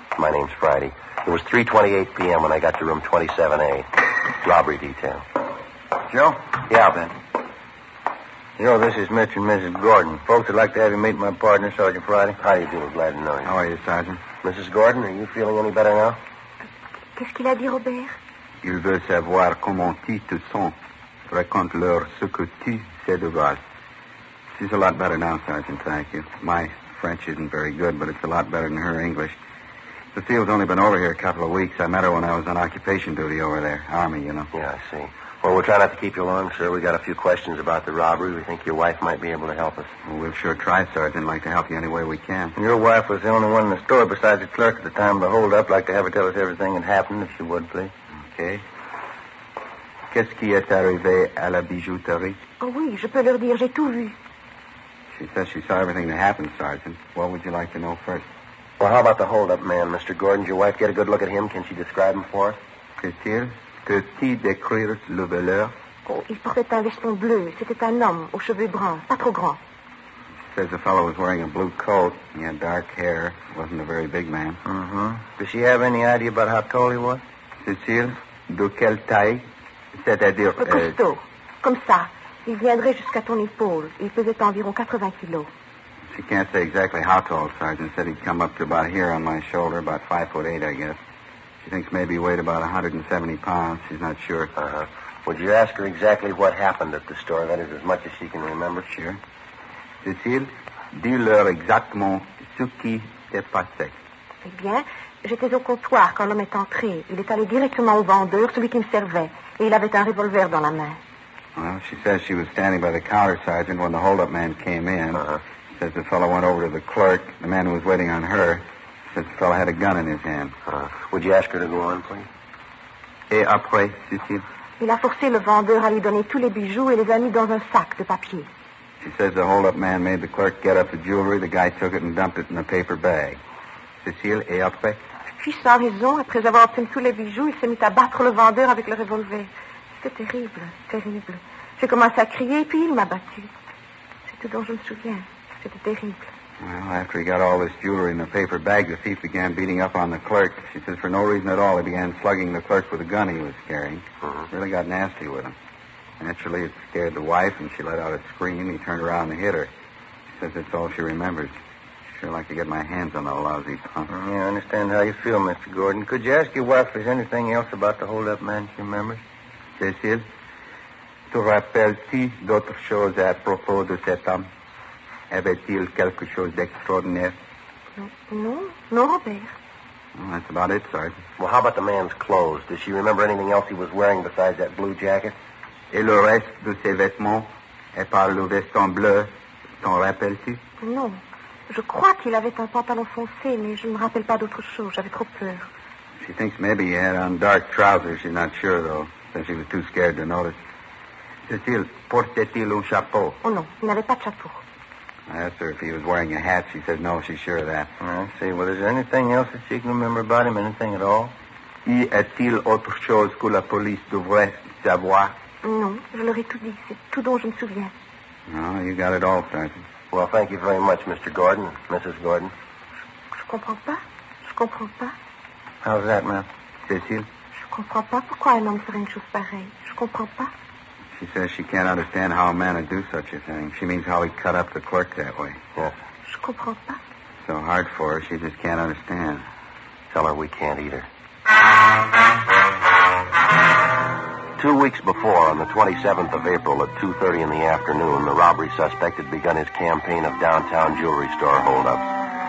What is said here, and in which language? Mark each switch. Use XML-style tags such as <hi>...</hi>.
<en>My name's Friday. It was 3:28 p.m. when I got to room 27A. Robbery detail. Joe? Yeah, Ben. You know, this is Mr. and Mrs. Gordon. Folks would like to have you meet my partner, Sergeant Friday. How do you do? Glad to know you. How are you, Sergeant? Mrs. Gordon, are you feeling any better now?</en> <fr>Qu'est-ce qu'il a dit, Robert? Il veut savoir comment tu te sens. Raconte-leur ce que tu sais de vas.</fr> <en>She's a lot better now, Sergeant. Thank you. My French isn't very good, but it's a lot better than her English. The field's only been over here a couple of weeks. I met her when I was on occupation duty over there. Army, you know. Yeah, I see. Well, we'll try not to keep you long, sir. We got a few questions about the robbery. We think your wife might be able to help us. Well, we'll sure try, Sergeant. Like to help you any way we can. And your wife was the only one in the store besides the clerk at the time of the holdup. Like to have her tell us everything that happened, if you would, please. Okay.</en> <fr>Qu'est-ce qui est arrivé à la bijouterie? Oh, oui, je peux leur dire, j'ai tout vu.</fr> <en>She says she saw everything that happened, Sergeant. What would you like to know first? Well, how about the holdup man, Mr. Gordon? Did your wife get a good look at him? Can she describe him for us?</en> <fr>Peut-il décrire le voleur? Oh, il portait un veston bleu. C'était un homme aux cheveux bruns, pas trop grand.</fr> <en>She says the fellow was wearing a blue coat. He had dark hair. Wasn't a very big man. Mm-hmm. Does she have any idea about how tall he was?</en> <fr>Cécile, de quelle taille? C'est-à-dire... Costaud. Comme ça. Il viendrait jusqu'à ton épaule. Il faisait environ 80 kilos.</fr> <en>She can't say exactly how tall, Sergeant. Said he'd come up to about here on my shoulder, about 5'8", I guess. She thinks maybe he weighed about 170 pounds. She's not sure. Uh-huh. Would you ask her exactly what happened at the store? That is as much as she can remember. Sure.</en> <fr>Cécile, dis-leur exactement ce qui s'est passé. Eh bien, j'étais au comptoir quand l'homme est entré. Il est allé directement au vendeur, celui qui me servait. Et il avait un revolver dans la main.</fr> <en>Well, she says she was standing by the counter, Sergeant, when the hold-up man came in. Uh-huh. Says the fellow went over to the clerk, the man who was waiting on her. Says the fellow had a gun in his hand. Would you ask her to go on, please?</en> <fr>Et après, Cécile? Il a forcé le vendeur à lui donner tous les bijoux et les a mis dans un sac de papier.</fr> <en>She says the hold-up man made the clerk get up the jewelry. The guy took it and dumped it in a paper bag.</en> <fr>Cécile, et après? Puis sans raison, après avoir obtenu tous les bijoux, il s'est mis à battre le vendeur avec le revolver. C'était terrible, terrible. J'ai commencé à crier, puis il m'a battu. C'est tout dont je me souviens. C'était terrible.</fr> <en>Well, after he got all this jewelry in the paper bag, the thief began beating up on the clerk. She says for no reason at all, he began slugging the clerk with a gun he was carrying. Mm-hmm. Really got nasty with him. Naturally, it scared the wife, and she let out a scream. He turned around and hit her. She says that's all she remembers. Sure like to get my hands on that lousy pump. Yeah, I understand how you feel, Mr. Gordon. Could you ask your wife if there's anything else about the hold-up man she remembers?</en> <fr>Cécile, tu rappelles-tu d'autres choses à propos de cet homme? Avait-il quelque chose d'extraordinaire? Non, Robert.</fr> <en>That's about it, Sergeant. Well, how about the man's clothes? Does she remember anything else he was wearing besides that blue jacket?</en> <fr>Et le reste de ses vêtements, et par le veston bleu, t'en rappelles-tu? Non. Je crois qu'il avait un pantalon foncé, mais je ne me rappelle pas d'autre chose. J'avais trop peur.</fr> <en>She thinks maybe he had on dark trousers. She's not sure, though, since she was too scared to notice.</en> <fr>Cécile, portait-il un chapeau? Oh, non. Il n'avait pas de chapeau.</fr> <en>I asked her if he was wearing a hat. She said no, she's sure of that. I see. Well, is there anything else that she can remember about him? Anything at all?</en> <fr>Y a-t-il autre chose que la police devrait savoir? Non, je leur ai tout dit. C'est tout dont je me souviens.</fr> <en>Oh, you got it all, Sergeant. Well, thank you very much, Mr. Gordon. Mrs. Gordon.</en> <fr>Je comprends pas. Je comprends pas.</fr> <en>How's that, ma'am? Cécile?</en> <fr>Je comprends pas pourquoi un homme ferait une chose pareille. Je comprends pas.</fr> <en>She says she can't understand how a man would do such a thing. She means how he cut up the clerk that way. Yes.</en> <fr>Je comprends pas.</fr> <en>So hard for her, she just can't understand. Tell her we can't either. 2 weeks before, on the 27th of April at 2:30 in the afternoon, the robbery suspect had begun his campaign of downtown jewelry store holdups.</en>